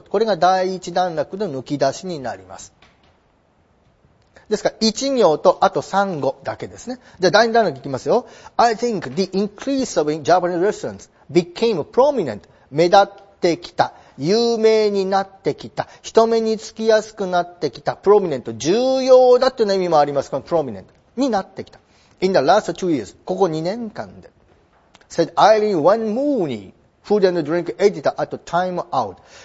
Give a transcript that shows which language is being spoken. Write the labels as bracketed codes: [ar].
[ja] これが第一段落の抜き出しになります。ですから、1行とあと3語だけですね。じゃあ第2段落いきますよ。 [en] I think the increase of Japanese restaurants became prominent. [ja] 目立ってきた。有名になってきた。人目につきやすくなってきた。プロミネント。重要だっていうの意味もあります。このプロミネント。になってきた。 [en] In the last two years. [ja] ここ2年間で。 [en] Said Eileen Wan Mooney, food and drink editor at time out.